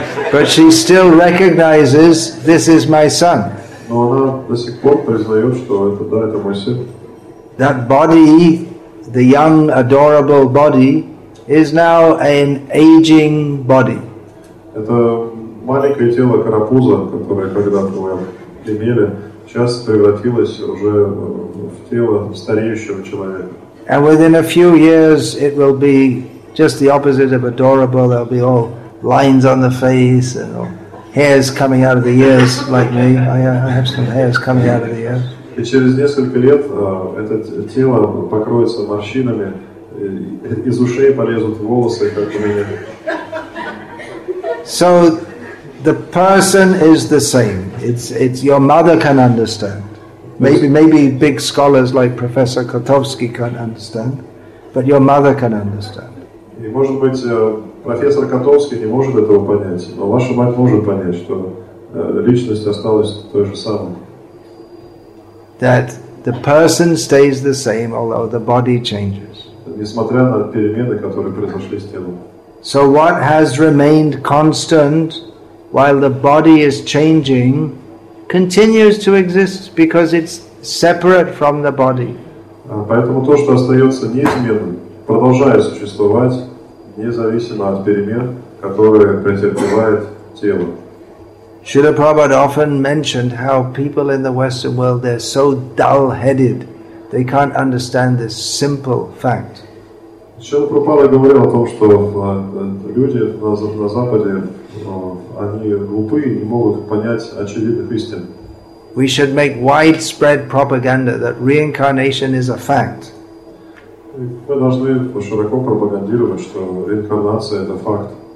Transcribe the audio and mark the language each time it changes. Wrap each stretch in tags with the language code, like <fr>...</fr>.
<en>But she still recognizes, this is my son. That body, the young, adorable body, is now an aging body.</en> <ru>Это маленькое тело карапуза, которое когда-то мы имели, сейчас превратилось уже в тело стареющего человека.</ru> <en>And within a few years, it will be just the opposite of adorable. There'll be all lines on the face and all hairs coming out of the ears, like me. I have some hairs coming out of the ears.</en> <ru>И через несколько лет это тело покроется морщинами, из ушей полезут волосы, как у меня.</ru> <en>So the person is the same. It's your mother can understand. Maybe big scholars like Professor Kotovsky can understand, but your mother can understand.</en> <ru>И может быть профессор Котовский не может этого понять, но ваша мать может понять, что личность осталась той же самой.</ru> <en>That the person stays the same, although the body changes.</en> <ru>Несмотря на перемены, которые произошли с телом.</ru> <en>So what has remained constant while the body is changing continues to exist because it's separate from the body.</en> <ru>Поэтому то, что остается неизменным, продолжает существовать независимо от перемен, которые претерпевает тело.</ru> <en>Srila Prabhupada often mentioned how people in the Western world, they're so dull-headed, they can't understand this simple fact.</en> <ru>Srila Prabhupada говорил о том, что люди на Западе, они глупы и не могут понять очевидных истин.</ru> <en>We should make widespread propaganda that reincarnation is a fact.</en> <ru>Мы должны широко пропагандировать, что реинкарнация – это факт.</ru>